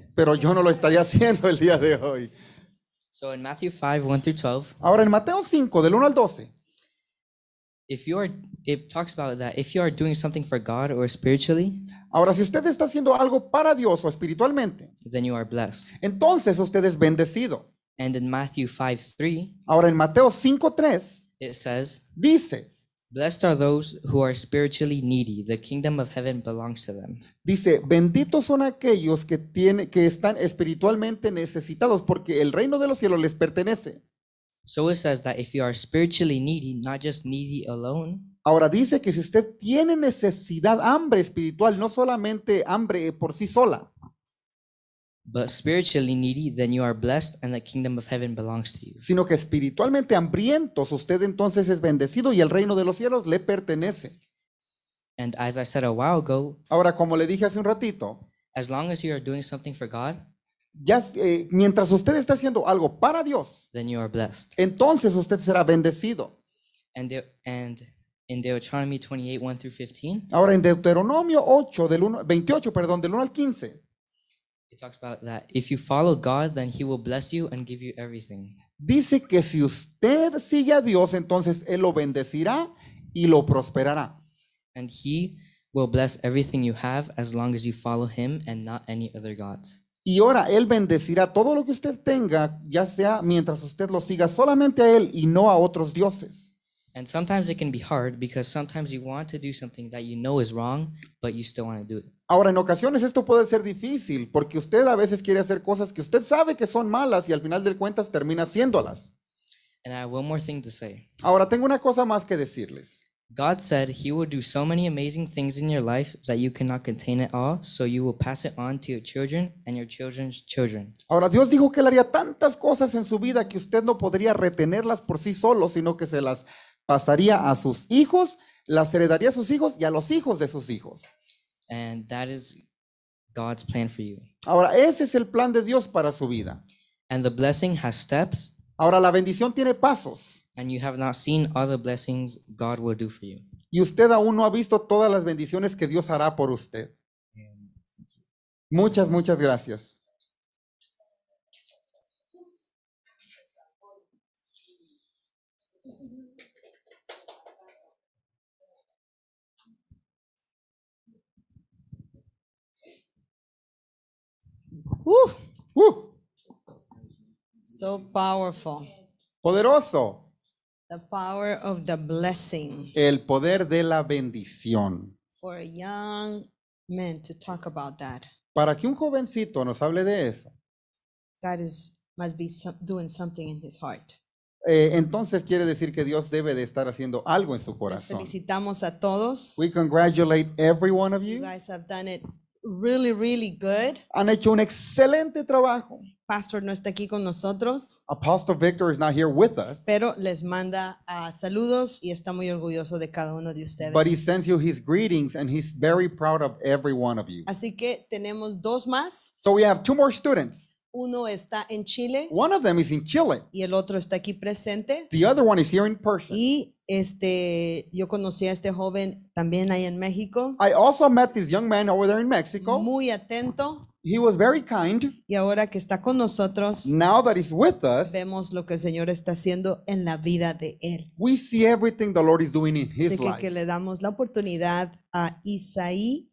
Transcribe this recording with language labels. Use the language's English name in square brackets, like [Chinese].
[Spanish] Pero yo no lo estaría haciendo el día de hoy. [English] So in Matthew 5, 1 through 12. [Spanish] Ahora en Mateo 5, del 1 al 12. [English] It talks about that if you are doing something for God or spiritually. [Spanish] Ahora si usted está haciendo algo para Dios o espiritualmente. [English] Then you are blessed. [Spanish] Entonces usted es bendecido. [English] And in Matthew 5, 3. [Spanish] Ahora en Mateo 5, 3. [English] It says. [Spanish] Dice. [English] Blessed are those who are spiritually needy. The kingdom of heaven belongs to them. [Spanish] Dice, benditos son aquellos que están espiritualmente necesitados porque el reino de los cielos les pertenece. [English] So it says that if you are spiritually needy, not just needy alone. [Spanish] Ahora dice que si usted tiene necesidad, hambre espiritual, no solamente hambre por sí sola. [English] But spiritually needy, then you are blessed and the kingdom of heaven belongs to you. [Spanish] Sino que espiritualmente hambrientos, usted entonces es bendecido y el reino de los cielos le pertenece. [English] And as I said a while ago. [Spanish] Ahora, como le dije hace un ratito. [English] As long as you are doing something for God. [Spanish] Mientras usted está haciendo algo para Dios. [English] Then you are blessed. [Spanish] Entonces usted será bendecido. [English] And in Deuteronomy 28, 1 through 15. [Spanish] Ahora en Deuteronomio 28, del 1 al 15. [English] It talks about that if you follow God, then he will bless you and give you everything. [Spanish] Dice que si usted sigue a Dios, entonces él lo bendecirá y lo prosperará. [English] And he will bless everything you have as long as you follow him and not any other gods. [Spanish] Y ahora él bendecirá todo lo que usted tenga, ya sea mientras usted lo siga solamente a él y no a otros dioses. [English] And sometimes it can be hard because sometimes you want to do something that you know is wrong, but you still want to do it. [Spanish] Ahora, en ocasiones esto puede ser difícil porque usted a veces quiere hacer cosas que usted sabe que son malas y al final de cuentas termina haciéndolas. [English] And I have one more thing to say. [Spanish] Ahora, tengo una cosa más que decirles. [English] God said he will do so many amazing things in your life that you cannot contain it all, so you will pass it on to your children and your children's children. [Spanish] Ahora, Dios dijo que él haría tantas cosas en su vida que usted no podría retenerlas por sí solo, sino que se las pasaría a sus hijos, las heredaría a sus hijos y a los hijos de sus hijos. [English] And that is God's plan for you. [Spanish] Ahora, ese es el plan de Dios para su vida. [English] And the blessing has steps. [Spanish] Ahora, la bendición tiene pasos. [English] And you have not seen all the blessings God will do for you. [Spanish] Y usted aún no ha visto todas las bendiciones que Dios hará por usted. Muchas, muchas gracias. [English] So powerful. [Spanish] Poderoso. [English] The power of the blessing. [Spanish] El poder de la bendición. [English] For a young man to talk about that. [Spanish] Para que un jovencito nos hable de eso. [English] God is must be doing something in his heart. [Spanish] Entonces quiere decir que Dios debe de estar haciendo algo en su corazón. Les felicitamos a todos. [English] We congratulate every one of you. You guys have done it really, really good. [Spanish] Han hecho un excelente trabajo. Pastor no está aquí con nosotros. [English] Apostle Victor is not here with us. [Spanish] Pero les manda saludos y está muy orgulloso de cada uno de ustedes. [English] But he sends you his greetings and he's very proud of every one of you. [Spanish] Así que tenemos dos más. [English] So we have two more students. [Spanish] Uno está en Chile. [English] One of them is in Chile. [Spanish] Y el otro está aquí presente. [English] The other one is here in person. [Spanish] Y yo conocí a este joven también ahí en México. [English] I also met this young man over there in Mexico. [Spanish] Muy atento. [English] He was very kind. [Spanish] Y ahora que está con nosotros, [English] now that he's with us, [Spanish] vemos lo que el Señor está haciendo en la vida de él. [English] We see everything the Lord is doing in his life. [Spanish] Así que le damos la oportunidad a Isaí.